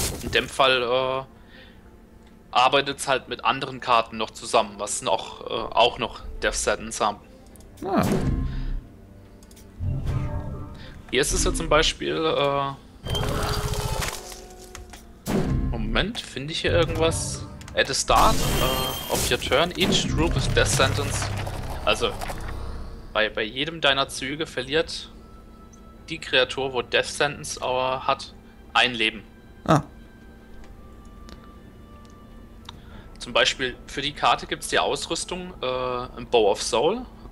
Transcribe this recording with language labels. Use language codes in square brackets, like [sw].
[de] In dem Fall arbeitet es halt mit anderen Karten noch zusammen, was auch noch Death Sentence haben. Ah. Hier ist es ja zum Beispiel. Moment, finde ich hier irgendwas? [en] At the start of your turn, each troop is death sentence. [de] Also, bei jedem deiner Züge verliert die Kreatur, wo Death Sentence hat, ein Leben. Zum Beispiel für die Karte gibt es die Ausrüstung im Bow of Soul.